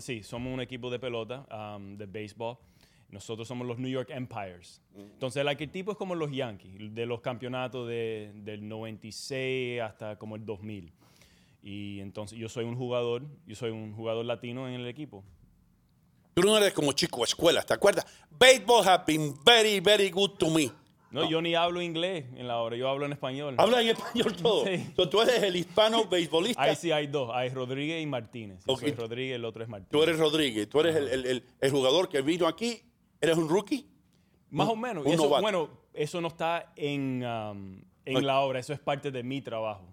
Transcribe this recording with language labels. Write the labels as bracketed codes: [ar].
[es] Sí, somos un equipo de pelota, de béisbol. Nosotros somos los New York Empires. Entonces, el arquetipo es como los Yankees, de los campeonatos del 96 hasta como el 2000. Y entonces, yo soy un jugador latino en el equipo. Yo no era como chico de escuela, ¿te acuerdas? [en] Baseball has been very, very good to me. [es] No, yo ni hablo inglés en la obra, yo hablo en español. ¿Habla en español todo? Sí. Entonces, tú eres el hispano beisbolista. Ahí sí hay dos, hay Rodríguez y Martínez. Yo soy Rodríguez, el otro es Martínez. Tú eres Rodríguez, tú eres el jugador que vino aquí, ¿eres un rookie? Más o menos. Eso, bueno, eso no está en la obra, eso es parte de mi trabajo.